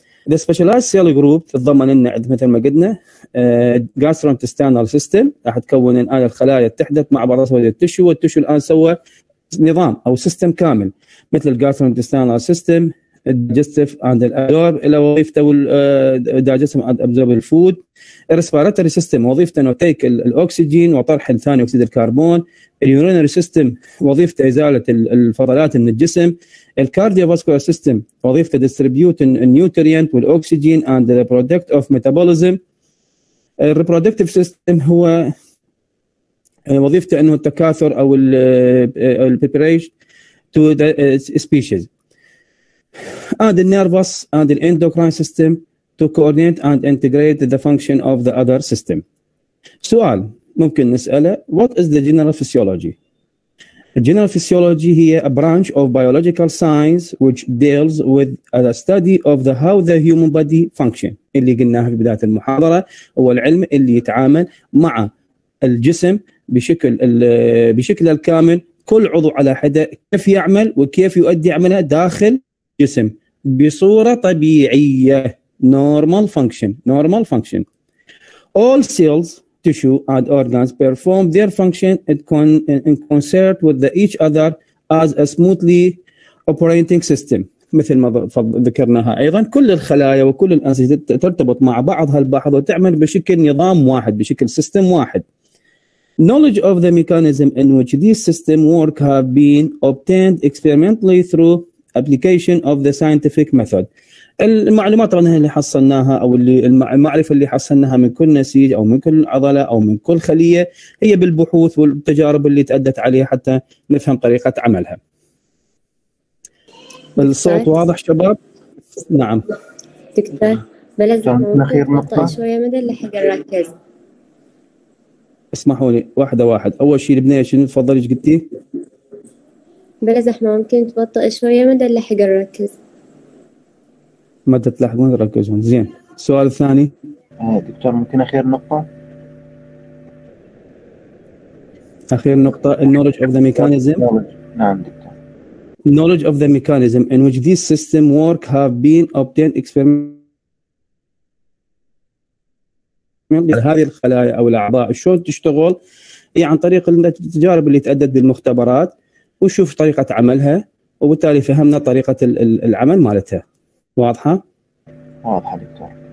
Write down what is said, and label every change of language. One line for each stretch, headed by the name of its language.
English: The specialized cell group
Arabic: تتضمن لنا مثل ما قلنا gastrointestinal system راح تكون الان الخلايا اتحدت مع بعض سوى التشو، والتشو الان سوى نظام او سيستم كامل مثل
English: gastrointestinal system digestive and absorb
Arabic: الى وظيفته
English: digestive and absorb the food.
Arabic: respiratory system وظيفته انه تيك الاكسجين وطرح ثاني اكسيد الكربون. urinary system وظيفته ازاله الفضلات من الجسم.
English: cardiovascular system وظيفته distributing nutrient والاكسجين and the product of metabolism. reproductive system
Arabic: هو وظيفته انه التكاثر او
English: preparation to the species. And the nervous and the endocrine system to coordinate and integrate the function of the other system.
Arabic: سؤال ممكن نسأله:
English: What is the general physiology? General physiology هي a branch of biological science which deals with the study of the how the human body function.
Arabic: اللي قلناها في بداية المحاضرة هو العلم اللي يتعامل مع الجسم بشكل الكامل، كل عضو على حدة كيف يعمل وكيف يؤدي عمله داخل جسم بصوره طبيعيه
English: normal function. All cells tissue and organs perform their function in concert with the each other as a smoothly operating system.
Arabic: مثل ما ذكرناها ايضا كل الخلايا وكل الانسجه ترتبط مع بعضها البعض وتعمل بشكل نظام واحد بشكل سيستم واحد.
English: Knowledge of the mechanism in which these system work have been obtained experimentally through application of the scientific method.
Arabic: المعلومات اللي حصلناها او اللي المعرفه اللي حصلناها من كل نسيج او من كل عضله او من كل خليه هي بالبحوث والتجارب اللي تأدت عليها حتى نفهم طريقه عملها. الصوت واضح شباب؟ نعم دكتور بلزم اخير نقطه شويه مدل لحق نركز. اسمحوا لي واحد اول شيء البنيه شنو تفضلي ايش قلتي؟ بلا زحمة ممكن تبطئ شوية مدى اللحق نركز مدى تلحقون تركزون زين. السؤال الثاني دكتور ممكن أخير نقطة
English: knowledge of the mechanism knowledge of the mechanism in which this system work have been obtained experimentally.
Arabic: هذه الخلايا أو الأعضاء شلون تشتغل هي عن طريق التجارب اللي تأدت بالمختبرات وشوف طريقة عملها وبالتالي فهمنا طريقة العمل مالتها. واضحة؟ واضحة دكتور.